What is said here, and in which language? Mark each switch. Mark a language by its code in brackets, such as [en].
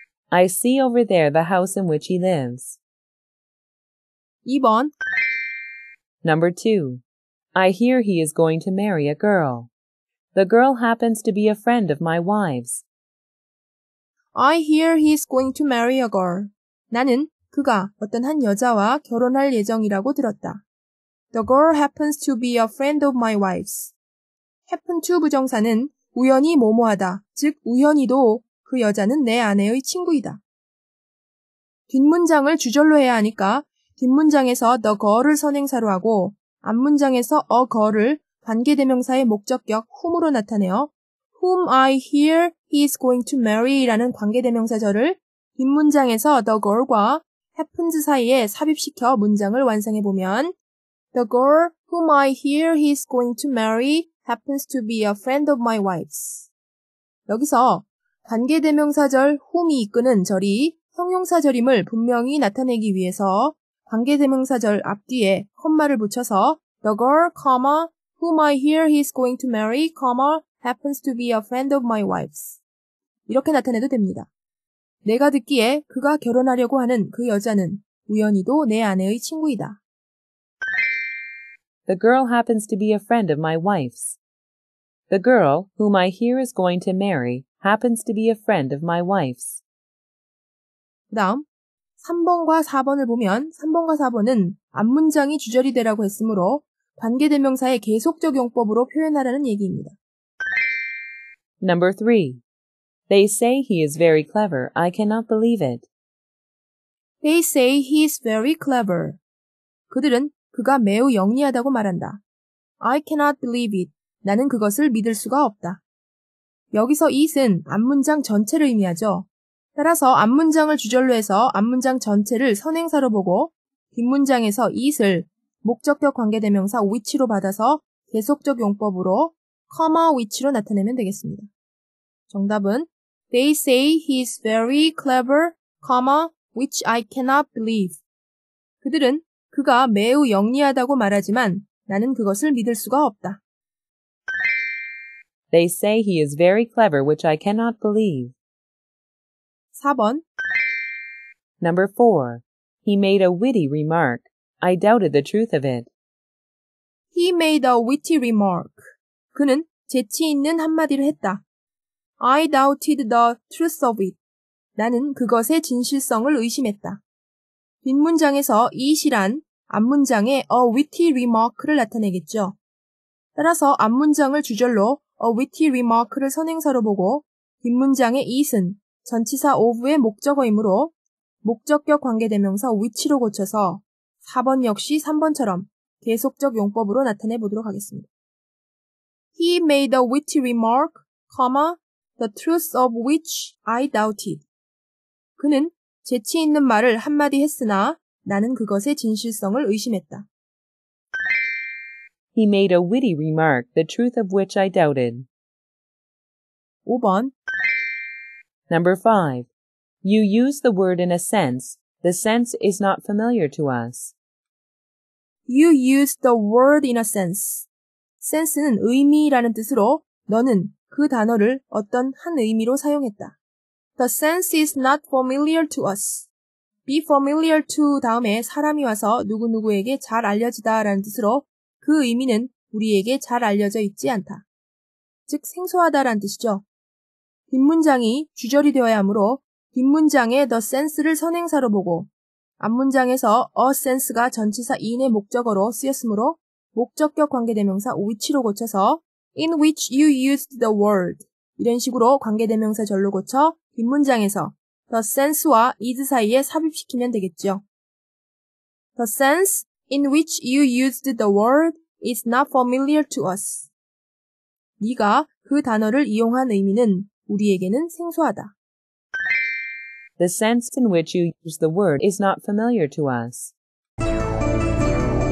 [en] I see over there the house in which he lives. [ko] 2번 [en] Number 2. I hear he is going to marry a girl. The girl happens to be a friend of my wife's. I hear he is going to marry a girl. [ko] 나는 그가 어떤 한 여자와 결혼할 예정이라고 들었다. [en] The girl happens to be a friend of my wife's. [ko] happen to 부정사는 우연히 뭐뭐하다, 즉 우연히도 그 여자는 내 아내의 친구이다. 뒷문장을 주절로 해야 하니까 뒷문장에서 the girl을 선행사로 하고 앞문장에서 a girl을 관계대명사의 목적격 whom으로 나타내어 [en] whom I hear he is going to marry [ko] 라는 관계대명사절을 뒷문장에서 [en] the girl과 happens 사이에 삽입시켜 문장을 완성해 보면 the girl whom I hear he is going to marry happens to be a friend of my wife's. [ko] 여기서 관계대명사절 whom이 이끄는 절이 형용사절임을 분명히 나타내기 위해서 관계대명사절 앞뒤에 콤마를 붙여서 [en] the girl, comma, whom I hear he is going to marry, comma, happens to be a friend of my wife's. [ko] 이렇게 나타내도 됩니다. 내가 듣기에 그가 결혼하려고 하는 그 여자는 우연히도 내 아내의 친구이다. [en] The girl happens to be a friend of my wife's. The girl, whom I hear is going to marry, happens to be a friend of my wife's. [ko] 다음, 3번과 4번을 보면 3번과 4번은 앞문장이 주절이 되라고 했으므로 관계대명사의 계속적 용법으로 표현하라는 얘기입니다. [en] Number 3. They say he is very clever. I cannot believe it. They say he is very clever. [ko] 그들은 그가 매우 영리하다고 말한다. [en] I cannot believe it. [ko] 나는 그것을 믿을 수가 없다. 여기서 it은 앞문장 전체를 의미하죠. 따라서 앞문장을 주절로 해서 앞문장 전체를 선행사로 보고 뒷문장에서 it을 목적격 관계대명사 which로 받아서 계속적 용법으로 [en] comma which [ko] 로 나타내면 되겠습니다. 정답은 [en] They say he is very clever, comma which I cannot believe. [ko] 그들은 그가 매우 영리하다고 말하지만 나는 그것을 믿을 수가 없다. [en] They say he is very clever, which I cannot believe. [ko] 4번 [en] Number 4. He made a witty remark. I doubted the truth of it. He made a witty remark. [ko] 그는 재치 있는 한마디를 했다. [en] I doubted the truth of it. [ko] 나는 그것의 진실성을 의심했다. 뒷문장에서 it이란 앞문장에 [en] a witty remark [ko] 를 나타내겠죠. 따라서 앞문장을 주절로 [en] a witty remark [ko] 를 선행사로 보고 뒷문장에 it은 전치사 of의 목적어이므로 목적격 관계대명사 which로 고쳐서 4번 역시 3번처럼 계속적 용법으로 나타내 보도록 하겠습니다. [en] He made a witty remark, comma, the truth of which I doubted. [ko] 그는 재치 있는 말을 한마디 했으나 나는 그것의 진실성을 의심했다. [en] He made a witty remark, the truth of which I doubted. [ko] 5번 [en] Number 5. You use the word in a sense. The sense is not familiar to us. You used the word innocence. [ko] Sense는 의미라는 뜻으로 너는 그 단어를 어떤 한 의미로 사용했다. [en] The sense is not familiar to us. Be familiar to [ko] 다음에 사람이 와서 누구누구에게 잘 알려지다 라는 뜻으로 그 의미는 우리에게 잘 알려져 있지 않다. 즉 생소하다 라는 뜻이죠. 뒷문장이 주절이 되어야 하므로 뒷문장의 the sense를 선행사로 보고 앞문장에서 a sense가 전치사 in의 목적어로 쓰였으므로 목적격 관계대명사 which로 고쳐서 [en] in which you used the word [ko] 이런 식으로 관계대명사 절로 고쳐 뒷문장에서 the sense와 is 사이에 삽입시키면 되겠죠. [en] The sense in which you used the word is not familiar to us. [ko] 네가 그 단어를 이용한 의미는 우리에게는 생소하다. [en] The sense in which you use the word is not familiar to us.